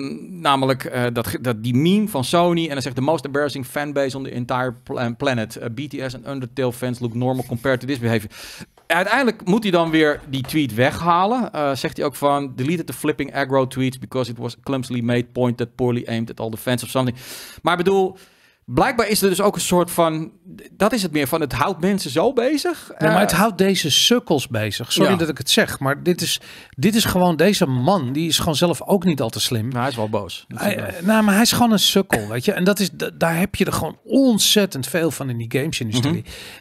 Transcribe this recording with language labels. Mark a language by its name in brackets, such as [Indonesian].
[Dutch] Namelijk dat die meme van Sony. En hij zegt, [English] the most embarrassing fanbase on the entire planet. BTS Undertale fans look normal compared to this behavior. [Dutch] Uiteindelijk moet hij dan weer die tweet weghalen. Zegt hij ook van, [English] deleted the flipping aggro tweets because it was clumsily made point that poorly aimed at all the fans of something. [Dutch] Maar ik bedoel, blijkbaar is er dus ook een soort van, dat is het meer van, het houdt mensen zo bezig. Ja, maar het houdt deze sukkels bezig. Sorry dat ik het zeg, maar dit is gewoon, deze man, die is gewoon zelf ook niet al te slim. Nou, hij is wel boos. Maar hij is gewoon een sukkel, weet je. En dat is, daar heb je er gewoon ontzettend veel van in die gamesindustrie. Mm-hmm.